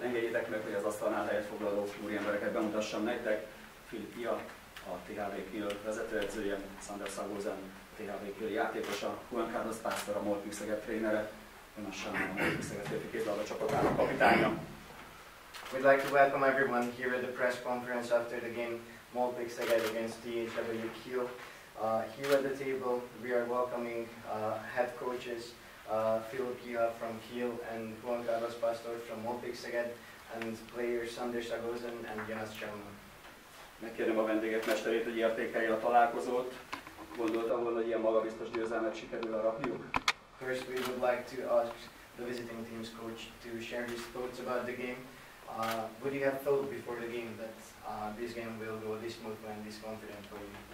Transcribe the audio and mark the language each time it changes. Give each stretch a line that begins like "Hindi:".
Hungarian: Engedjétek meg, hogy az asztalnál helyet foglaló úriembereket bemutassam nektek. Filip Ia, a THW Kiel vezetőedzője, Sander Szagózen, a THW Kiel játékosa, Juan Carlos Pásztor, a Molnár Szeged trénere, önösen a Molnár Szeged férfi kézilabda csapatának kapitánya.
English: We'd like to welcome everyone here at the press conference after the game Molnár Szeged against THW Kiel. Here at the table, we are welcoming head coaches Filip Ia from Kiel and Juan Carlos Pastor from Molnár Szeged, and players Sander Szagózen and Jonas Csaman.
Hungarian: Megkérem a vendéget, mesterét, hogy értékelje a találkozót. Gondoltam volna, hogy ilyen magabiztos győzelmet sikerül a rapjuk.
English: First, we would like to ask the visiting team's coach to share his thoughts about the game. Would you have thought before the game that this game will go this smooth and this confident for you?